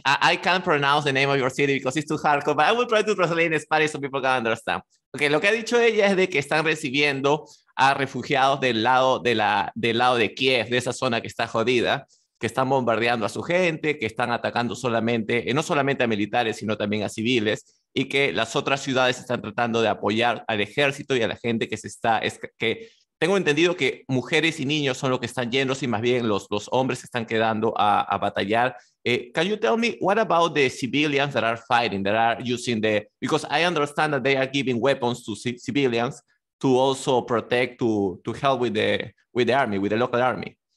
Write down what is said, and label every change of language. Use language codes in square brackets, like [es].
[en] I can't pronounce the name of your city because it's too hardcore, but I will try to translate in Spanish so people can understand. [es] Okay, lo que ha dicho ella es de que están recibiendo a refugiados del lado de Kiev, de esa zona que está jodida, que están bombardeando a su gente, que están atacando solamente, no solamente a militares, sino también a civiles, y que las otras ciudades están tratando de apoyar al ejército y a la gente que se está... Tengo entendido que mujeres y niños son los que están yendo, y más bien los hombres están quedando a batallar. [en] Can you tell me what about the civilians that are fighting, that are using the, because I understand that they are giving weapons to civilians to also protect, to help with the army, with the local army.